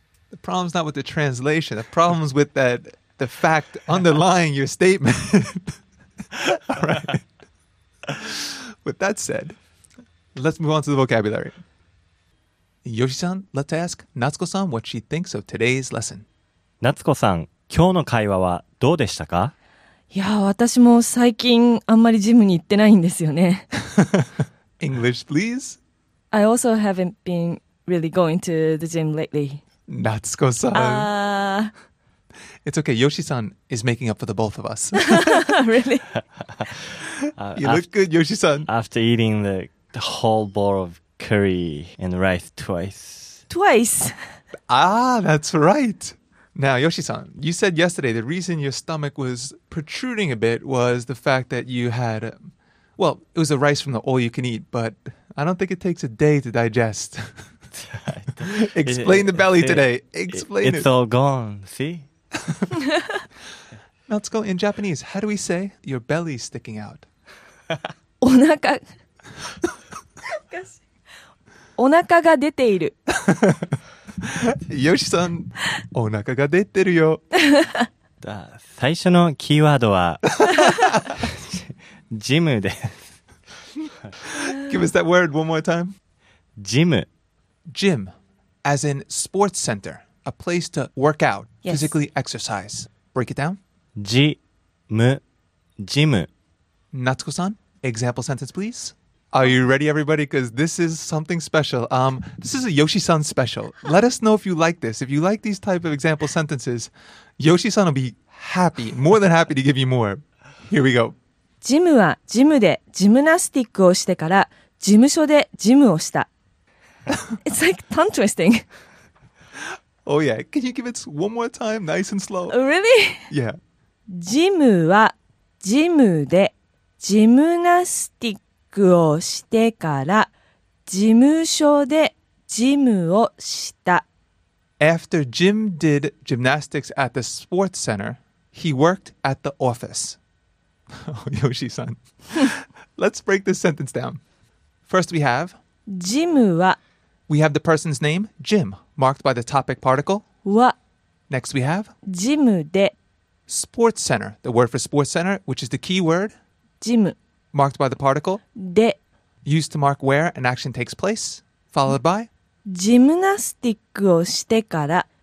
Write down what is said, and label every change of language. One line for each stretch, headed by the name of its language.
English: The problem's not with the translation. The problem's with that, the fact underlying your statement. All right. With that said, let's move on to the vocabulary. Yoshi-san, let's ask Natsuko-san what she thinks of today's lesson.
Japanese: Natsuko-san, 今日の会話はどうでしたか？いや、私も最近あんまりジムに行ってないんですよね。
English: English, please. I also haven't been really going to the gym lately. Natsuko-san. It's okay. Yoshi-san is making up for the both of us. Really? You look good, Yoshi-san. After eating the whole bowl of curry and rice twice. Twice? Ah, that's right. Now, Yoshi-san, you said yesterday the reason your stomach was protruding a bit was the fact that you had... Well, it was the rice from the all you can eat, but I don't think it takes a day to digest. Explain the belly today. Explain it. It's all gone, see? Natsuko, in Japanese, how do we say your belly sticking out?
Japanese: Onaka... Onaka ga deteiru. Yoshi-san, onaka ga deteru yo. 最初のキーワードはジムです。
English: Give us that word one more time.
Japanese: ジム。
English: Gym, as in sports center, a place to work out, physically exercise. Break it down.
Japanese: ジム、ジム。
English: Natsuko-san, example sentence please. Are you ready, everybody? Because this is something special. This is a Yoshi-san special. Let us know if you like this. If you like these type of example sentences, Yoshi-san will be happy, more than happy to give you more. Here we go.
Japanese: ジムはジムでジムナスティックをしてから事務所でジムをした。
English: It's like tongue twisting. Oh yeah. Can you give it one more time, nice and slow? Really? Yeah.
Japanese: ジムはジムでジムナスティックをしてから事務所でジムをした。
English: After Jim did gymnastics at the sports center, he worked at the office. Oh, Yoshi-san. Let's break this sentence down. First we have
Japanese: ジムは。
English: We have the person's name, Jim, marked by the topic particle
Japanese: は。
English: Next we have
Japanese: ジムで。
English: Sports center, the word for sports center, which is the key word
Japanese: ジム、
English: marked by the particle
Japanese: で、
English: used to mark where an action takes place, followed by
Japanese: ジムナスティックをしてから、